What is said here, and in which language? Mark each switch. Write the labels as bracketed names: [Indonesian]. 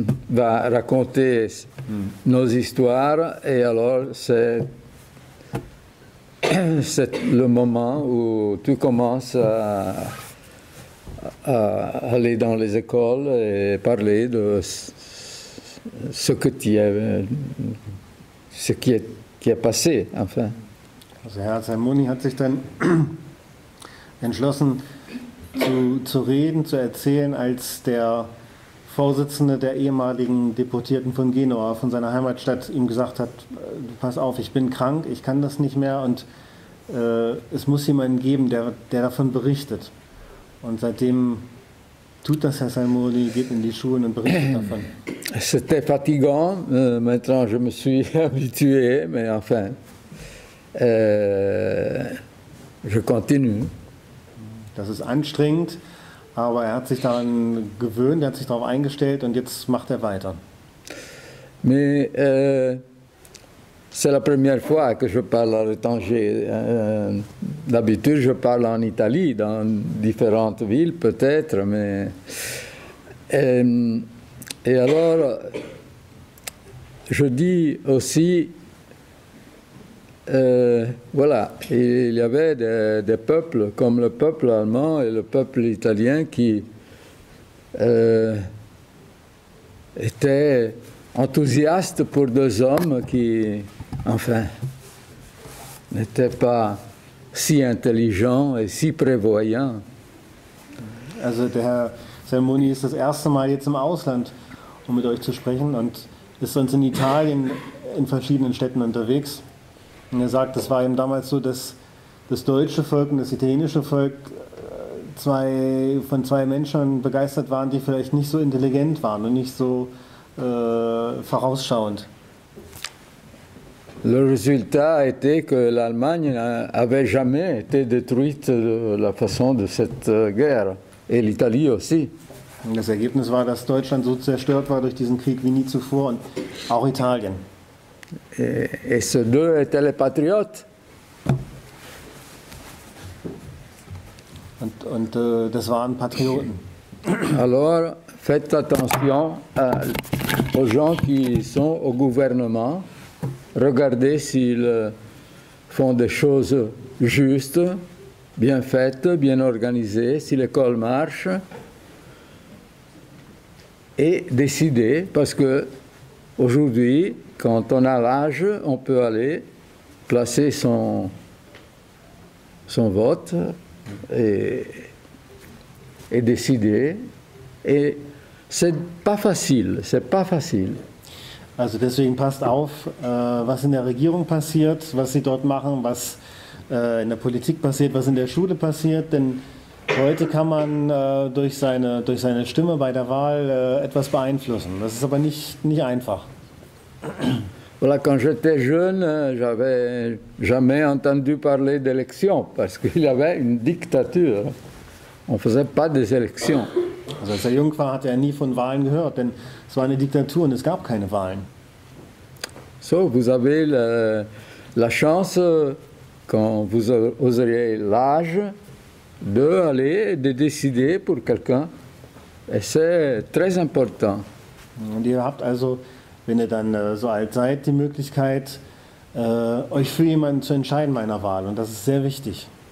[French] va raconter nos histoires, et alors c'est le moment où tu commences à aller dans les écoles et parler de ce que tu as, ce qui est passé, enfin. [German] Also Herr Salmoni hat sich dann entschlossen zu reden, zu erzählen, als der Vorsitzende der ehemaligen Deportierten von Genua, von seiner Heimatstadt, ihm gesagt hat, pass auf, ich bin krank, ich kann das nicht mehr, und es muss jemanden geben, der davon berichtet. Und seitdem tut das Herr Salmoni, geht in die Schulen und berichtet davon. [French] C'était fatigant, maintenant je me suis habitué, mais enfin... je continue. [German] Das ist anstrengend, aber er hat sich daran gewöhnt, er hat sich darauf eingestellt, und jetzt macht er weiter. [French] Mais c'est la première fois que je parle à l'étranger. D'habitude, je parle en Italie, dans différentes villes peut-être, mais et alors je dis aussi. Voilà, il y avait des peuples comme le peuple allemand et le peuple italien qui étaient enthousiastes pour deux hommes qui, enfin, n'étaient pas si intelligents et si prévoyants. [German] Also, der Herr Salmoni ist das erste Mal jetzt im Ausland, um mit euch zu sprechen, und ist sonst in Italien in verschiedenen Städten unterwegs. Und er sagt, es war ihm damals so, dass das deutsche Volk und das italienische Volk von zwei Menschen begeistert waren, die vielleicht nicht so intelligent waren und nicht so vorausschauend. [French] Le résultat était que l'Allemagne avait jamais été détruite de la façon de cette guerre, et l'Italie aussi. [German] Und das Ergebnis war, dass Deutschland so zerstört war durch diesen Krieg wie nie zuvor, und auch Italien. [French] Et ceux deux étaient les patriotes. [German] Das waren Patrioten. [French] Alors, faites attention aux gens qui sont au gouvernement. Regardez s'ils font des choses justes, bien faites, bien organisées, si l'école marche. Et décidez, parce que aujourd'hui, quand on a l'âge, on peut aller placer son vote et décider. Et c'est pas facile, c'est pas facile. [German] Also deswegen passt auf, was in der Regierung passiert, was sie dort machen, was in der Politik passiert, was in der Schule passiert, denn heute kann man durch seine Stimme bei der Wahl etwas beeinflussen. Das ist aber nicht einfach. [French] Voilà, quand j'étais jeune, j'avais jamais entendu parler d'élections parce qu'il y avait une dictature. On faisait pas des élections. [German] Also, als er jung war, hatte er nie von Wahlen gehört, denn es war eine Diktatur und es gab keine Wahlen. [French] So, vous avez la chance, quand vous oseriez l'âge, d'aller, de décider pour quelqu'un. Et c'est très important. [German] Und ihr habt also, wenn ihr dann so alt seid, die Möglichkeit, euch für jemanden zu entscheiden bei einer Wahl. Und das ist sehr wichtig.